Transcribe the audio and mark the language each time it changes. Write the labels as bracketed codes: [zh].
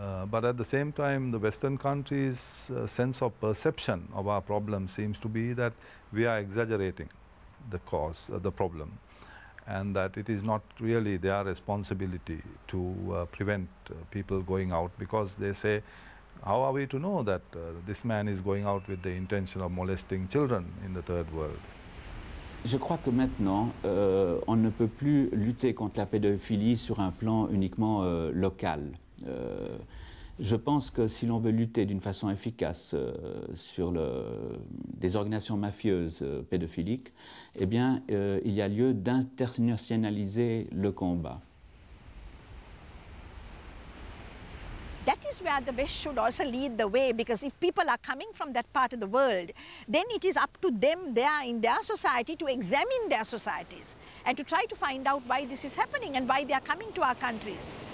[en] But at the same time, the Western countries' sense of perception of our problem seems to be that we are exaggerating the cause, the problem, and that it is not really their responsibility to prevent people going out, because they say, how are we to know that this man is going out with the intention of molesting children in the third world? [fr] Je crois que maintenant, on ne peut plus lutter contre la pédophilie sur un plan uniquement local. Je pense que si l'on veut lutter d'une façon efficace sur des organisations mafieuses pédophiliques, eh bien, il y a lieu d'internationaliser le combat. [en] That is where the West should also lead the way, because if people are coming from that part of the world, then it is up to them there in their society to examine their societies and to try to find out why this is happening and why they are coming to our countries.